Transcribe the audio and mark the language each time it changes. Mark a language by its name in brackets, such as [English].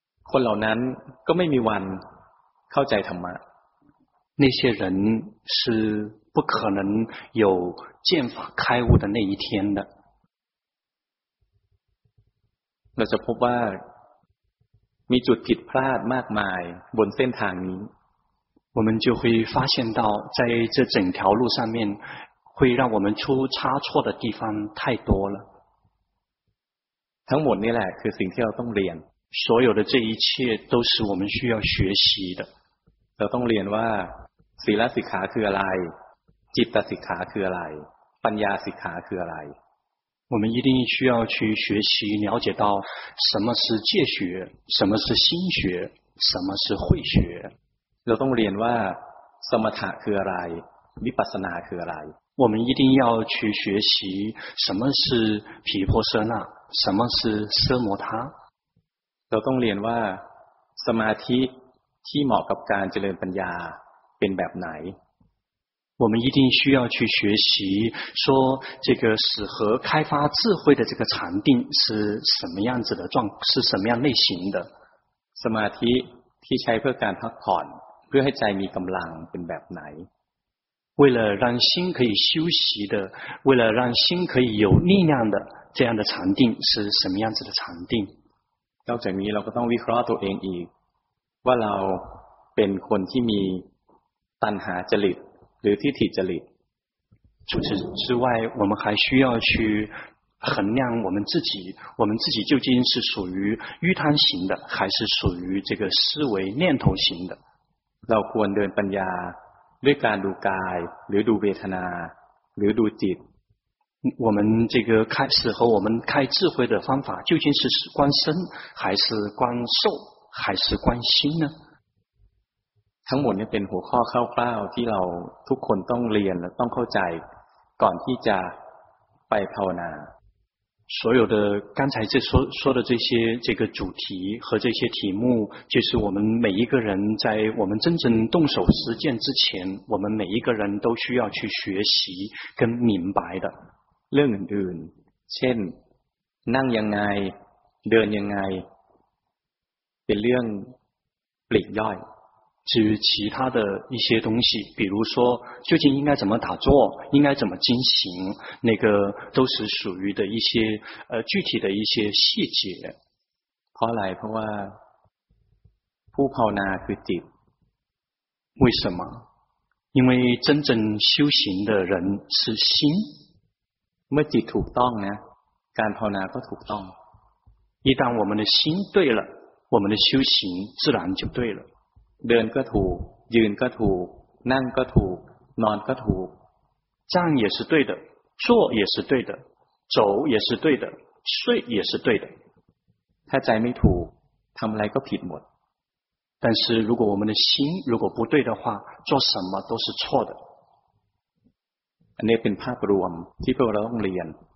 [Thai] คนเหล่านั้นก็ไม่มีวันเข้าใจธรรมะ [Chinese] 那些人是不可能有见法开悟的那一天的 [Thai] เราจะพบว่ามีจุดผิดพลาดมากมายบนเส้นทางนี้ [Chinese] 我们就会发现到在这整条路上面会让我们出差错的地方太多了 [Thai] ทั้งหมดนี่แหละคือสิ่งที่เราต้องเรียน [Chinese] 所有的这一切都是我们需要学习的 [Thai] เราต้องเรียนว่าศีลสิกขาคืออะไรจิตสิกขาคืออะไรปัญญาสิกขาคืออะไร [Chinese] 我们一定需要去学习了解到什么是戒学什么是心学什么是慧学 [Thai] เราต้องเรียนว่าสมถะคืออะไรวิปัสสนาคืออะไร [Chinese] 我们一定要去学习什么是毗婆舍那什么是奢摩他 [Thai] เราต้องเรียนว่าสมาธิที่เหมาะกับการเจริญปัญญาเป็นแบบไหน [Chinese] 我们一定需要去学习说这个适合开发智慧的这个禅定是什么样子的状是什么样类型的 [Thai] สมาธิที่ใช้เพื่อการพักผ่อนเพื่อให้ใจมีกำลังเป็นแบบไหน [Chinese] 为了让心可以休息的为了让心可以有力量的这样的禅定是什么样子的禅定 [Thai] นอกจากนี้เราก็ต้องวิเคราะห์ตัวเองอีกว่าเราเป็นคนที่มีตัณหาจริตหรือทิฏฐิจริต [Chinese] 除此之外我们还需要去衡量我们自己我们自己究竟是属于欲贪型的还是属于这个思维念头型的 [Thai] เราควรเดินปัญญาด้วยการดูกายหรือดูเวทนาหรือดูจิต [Chinese] 我们这个开始和我们开智慧的方法究竟是观身还是观受还是观心呢 [Thai] ทั้งหมดนี้เป็นหัวข้อคร่าวๆที่เราทุกคนต้องเรียนและต้องเข้าใจก่อนที่จะไปภาวนา [Chinese] 所有的刚才这说的这些这个主题和这些题目就是我们每一个人在我们真正动手实践之前我们每一个人都需要去学习跟明白的 [Thai] เรื่องอื่นเช่นนั่งยังไงเดินยังไงเป็นเรื่องปลีกย่อย [Chinese] 至于其他的一些东西比如说究竟应该怎么打坐应该怎么进行那个都是属于的一些具体的一些细节 [Thai] เพราะอะไรเพราะว่าผู้ภาวนาคือจิต [Chinese] 为什么因为真正修行的人是心 [Thai] เมื่อจิตถูกต้องนะการภาวนาก็ถูกต้อง [Chinese] 一旦我们的心对了我们的修行自然就对了 [Thai] เดินก็ถูกยืนก็ถูกนั่งก็ถูกนอนก็ถูก [Chinese] 站也是对的坐也是对的走也是对的睡也是对的 [Thai] ถ้าใจไม่ถูกทำอะไรก็ผิดหมด [Chinese] 但是如果我们的心如果不对的话做什么都是错的 [Thai] อันนี้เป็นภาพรวมที่พวกเราต้องเรียน